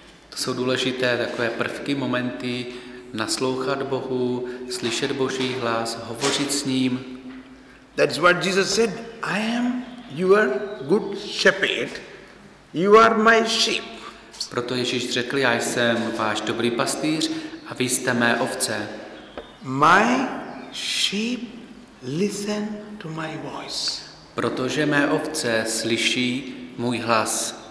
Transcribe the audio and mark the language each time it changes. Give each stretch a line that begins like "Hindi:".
Czech: To jsou důležité takové prvky, momenty, naslouchat Bohu, slyšet Boží hlas, hovořit s ním.
English: That's what Jesus said, I am your good shepherd, you are my sheep.
Czech: Proto Ježíš řekl, já jsem váš dobrý pastýř a vy jste mé ovce.
English: My sheep listen to my voice.
Czech: Protože mé ovce slyší můj hlas.